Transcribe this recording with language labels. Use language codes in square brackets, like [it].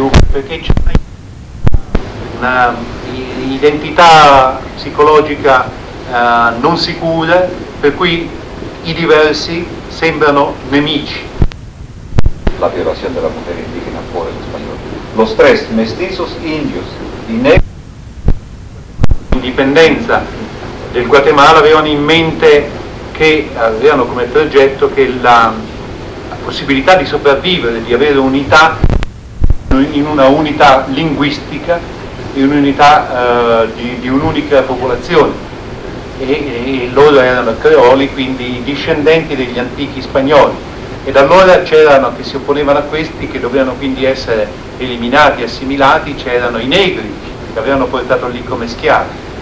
[it] Perché c'è una identità psicologica non sicura, per cui i diversi sembrano nemici. [es] La violación de la mujer indígena por el español. Los tres, mestizos, indios y negros. [it] Indipendenza del Guatemala avevano in mente che avevano come progetto che la possibilità di sopravvivere, di avere unità in una unità linguistica, in un'unità di un'unica popolazione e loro erano creoli, quindi discendenti degli antichi spagnoli e da allora c'erano che si opponevano a questi che dovevano quindi essere eliminati, assimilati, c'erano i negri che avevano portato lì come schiavi.